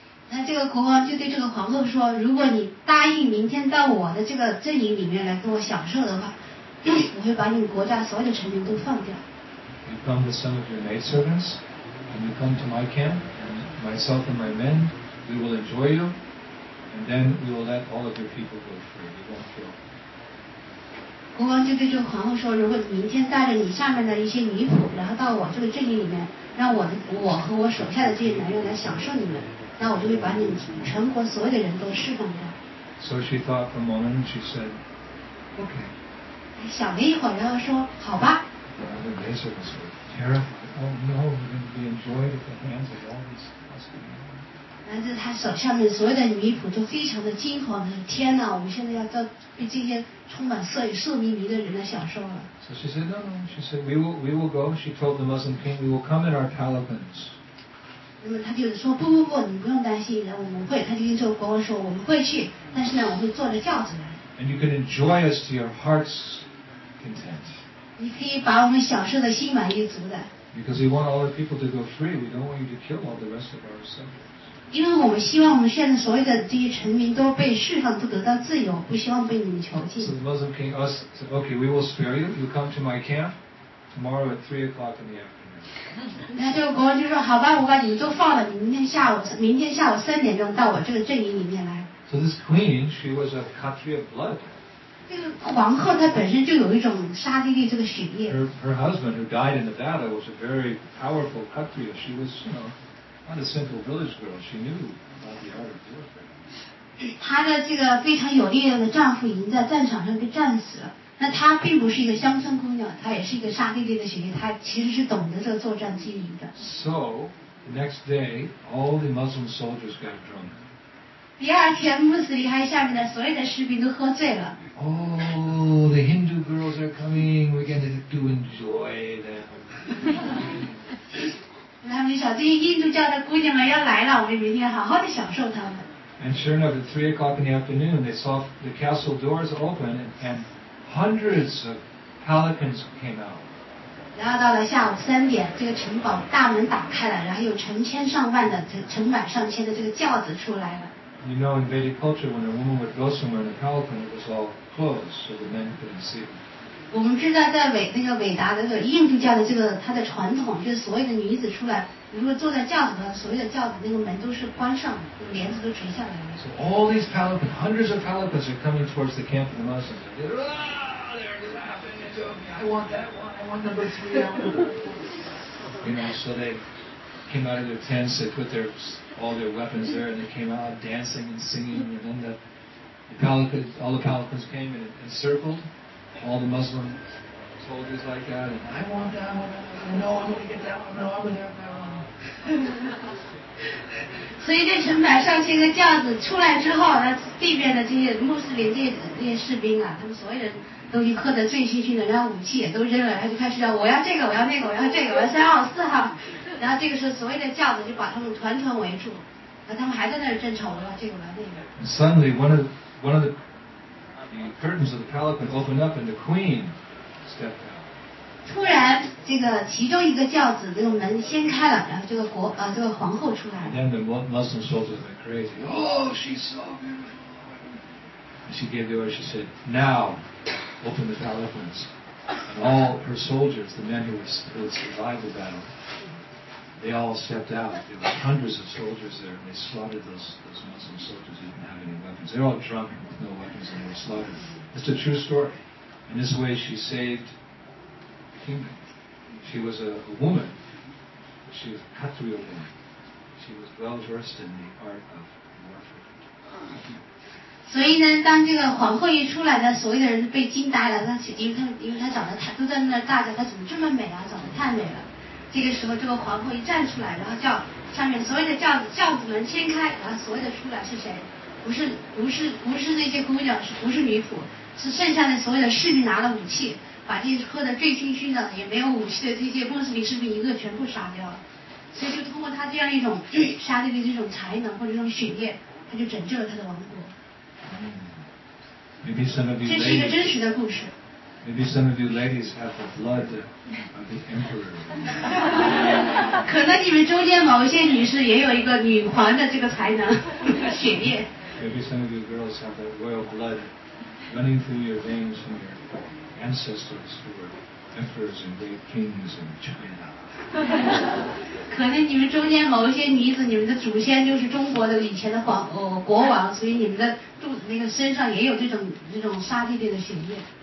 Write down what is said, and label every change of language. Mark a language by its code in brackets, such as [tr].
[zh] 那这个国王就对这个皇后说，如果你答应明天到我的这个阵营里面来跟我享受的话，我会把你国家所有的臣民都放掉。 [en] You come with some of your maidservants, and you come to my camp, and myself and my men, we will enjoy you, and then we will let all of your people go free. You won't feel. [zh] 国王就对这个皇后说，如果你明天带着你下面的一些女仆，然后到我这个阵营里面。让我和我手下的这些男人来享受你们，那我就会把你们全国所有的人都释放掉。 [en] So she thought for a moment, she said, "Okay." [zh] 想了一会儿，然后说，好吧。 [en] The maidservants were terrified. Oh no, we're going to be enjoyed at the hands of all these Muslim men. [zh] 然后他手下面所有的女仆都非常的惊慌，说，天哪，我们现在要到被这些充满色迷迷的人来享受了。 [en] So she said, no, she said, we will go. She told the Muslim king, we will come in our palanquins. And you can enjoy us to your heart's content. Because we want all our people to go free. We don't want you to kill all the rest of our subjects. [zh] 因为我们希望我们现在所有的这些臣民都被释放，都得到自由，不希望被你们囚禁。 [en] So the Muslim king asked, said, "Okay, we will spare you. You come to my camp tomorrow at 3 o'clock in the afternoon." [zh] 那这个国王就说：“好吧，我把你们都放了，你明天下午3点钟到我这个阵营里面来。 [en] ”So this queen, she was a Kshatriya blood. [zh] 这个皇后她本身就有一种杀敌的这个血液。 [en] Her husband, who died in the battle, was a very powerful Kshatriya. She was, you know. Not a simple village girl, she knew about the art of warfare. Her [zh] 这个非常有力量的丈夫已经在战场上被战死了。那她并不是一个乡村姑娘，她也是一个杀敌的血液，她其实是懂得这个作战机理的。 [en] So, the next day, all the Muslim soldiers got drunk. [zh] 第二天，穆斯林还下面的所有的士兵都喝醉了。 [en] Oh, the Hindu girls are coming, we're going to enjoy them. [zh] 他们就想，这些印度教的姑娘们要来了，我们明天好好的享受他们。 [en] And sure enough, at 3 o'clock in the afternoon, they saw the castle doors open, and hundreds of palanquins came out. [zh] 然后到了下午3点，这个城堡大门打开了，然后有成千上万的成百上千的这个轿子出来了。 [en] You know, in Vedic culture, when a woman would go somewhere in a palanquin, it was all closed, so the men couldn't see them. [zh] 我们知道在伟大的这个印度教的这个它的传统，就是所有的女子出来，如果坐在轿子上，所有的轿子那个门都是关上的，那个帘子都垂下来的。 [en] So all these palanquins, hundreds of palanquins are coming towards the camp of the Muslims. They're laughing at me. I want that one. I want number 3. You know, so they came out of their tents, they put all their weapons there, and they came out dancing and singing, and then all the palanquins came and encircled. All the Muslim soldiers like that, and I want that one. No, I'm going to get that one. No, I'm going to have that one. [zh] 所以这成百上千个轿子出来之后，那地面的这些穆斯林这些士兵啊，他们所有人都已经喝得醉醺醺的，然后武器也都扔了，然后就开始要，我要这个，我要那个，我要这个，我要3号4号。然后这个时候所有的轿子就把他们团团围住，然后他们还在那儿争吵，我要这个，我要那个。 [en] And suddenly one of the curtains of the palanquin opened up and the queen stepped out. [zh] 突然这个其中一个轿子这个门掀开了，然后这个皇后出来了。 [en] And then the Muslim soldiers went crazy. Oh, she's so beautiful. And she gave the order, she said, now open the palanquins. And all her soldiers, the men who had survived the battle, they all stepped out. There were hundreds of soldiers there, and they slaughtered those Muslim soldiers who didn't have any weapons. They were all drunk with no weapons, and they were slaughtered. It's a true story. In this way, she saved the kingdom. She was a woman. She was a Khatriya woman. She was well-versed in the art of warfare. [zh] 所以呢，当这个皇后一出来呢，所有的人都被惊呆了。因为她长得太，都在那儿大叫，她怎么这么美啊？长得太美了。这个时候，这个皇后一站出来，然后叫上面所有的轿子门掀开，然后所有的出来是谁？不是那些姑娘，是不是女仆？是剩下的所有的士兵拿了武器，把这些喝得醉醺醺的、也没有武器的这些穆斯林士兵一个全部杀掉了。所以就通过他这样一种杀敌的这种才能或者这种血液，他就拯救了他的王国。 [en] Maybe some of you ladies, [zh] 这是一个真实的故事。 [en] Maybe some of you ladies have the blood of the emperor. [zh] 可能你们中间某些女士也有一个女皇的这个才能，血液。 [en] Maybe some of you girls have the royal blood running through your veins from your ancestors who were emperors and great kings in China. [zh] 可能你们中间某些女子，你们的祖先就是中国的以前的国王，所以你们的肚子那个身上也有这种沙地的血液。